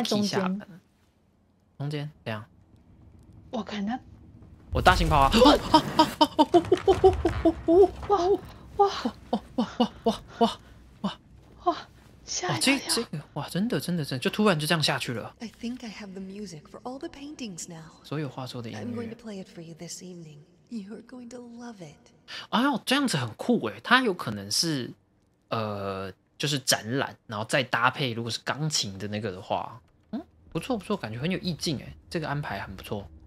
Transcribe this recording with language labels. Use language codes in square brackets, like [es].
[zh] 提下，中间这样。我看他，我大型跑啊！哇哇哇哇哇哇哇！吓一跳，这个哇，真的，就突然就这样下去了。 [en] I think I have the music for all the paintings now. [zh] 所有画作的音乐。 [en] I'm going to play it for you this evening. You're going to love it. [zh] 哎呦，这样子很酷哎，它有可能是就是展览，然后再搭配如果是钢琴的那个的话，不错不错，感觉很有意境哎，这个安排很不错。